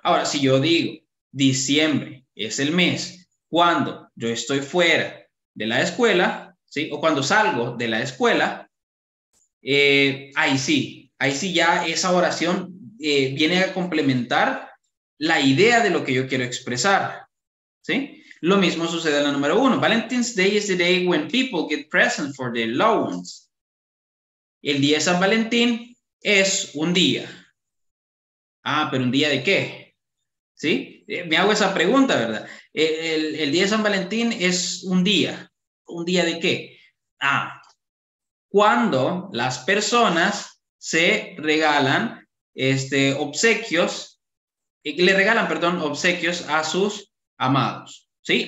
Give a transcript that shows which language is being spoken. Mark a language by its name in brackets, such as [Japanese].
[Spanish] Ahora, si yo digo, diciembre es el mes cuando yo estoy fuera de la escuela, ¿sí? O cuando salgo de la escuela, ahí sí ya esa oración viene a complementar la idea de lo que yo quiero expresar, ¿sí? Lo mismo sucede en la número uno. [English] Valentine's Day is the day when people get presents for their loved ones. [Spanish] El día de San Valentín es un día. Ah, pero ¿un día de qué? ¿Sí? Me hago esa pregunta, ¿verdad? El día de San Valentín es un día. ¿Un día de qué? Ah, cuando las personas se regalan obsequios, le regalan, perdón, obsequios a sus amados. ¿Sí?